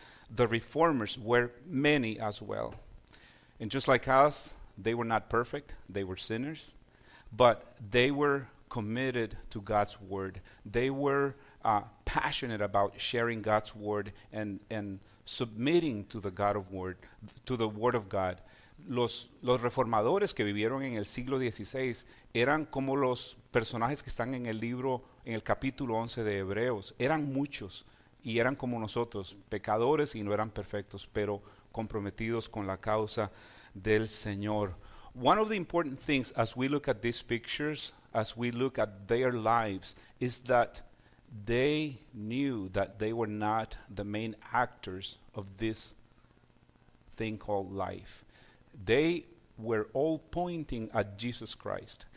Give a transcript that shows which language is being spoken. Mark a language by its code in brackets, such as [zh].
[en] The reformers were many as well. And just like us, they were not perfect. They were sinners. But they were committed to God's word. They were passionate about sharing God's word and submitting to the God of word, to the word of God. [es] Los reformadores que vivieron en el siglo XVI eran como los personajes que están en el libro, en el capítulo 11 de Hebreos. Eran muchos. Y eran como nosotros, pecadores y no eran perfectos, pero comprometidos con la causa del Señor. [en] One of the important things as we look at these pictures, as we look at their lives, is that they knew that they were not the main actors of this thing called life. They were all pointing at Jesus Christ.